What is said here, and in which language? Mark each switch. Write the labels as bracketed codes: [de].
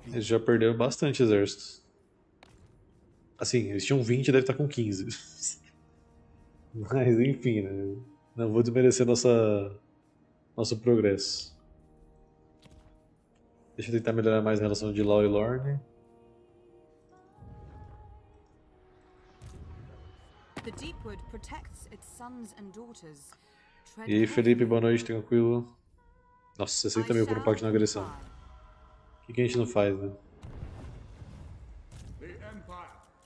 [pt] Eles já perderam bastante exército. Assim, eles tinham 20 e devem estar com 15. Mas enfim, né? Não vou desmerecer nosso progresso. Deixa eu tentar melhorar mais a relação de Law e Lorne. [en] The Deepwood protects its sons and daughters. [pt] E aí, Felipe, boa noite, tranquilo. Nossa, 60 mil por um pacto na agressão. O que a gente não faz, né? [en] The Empire.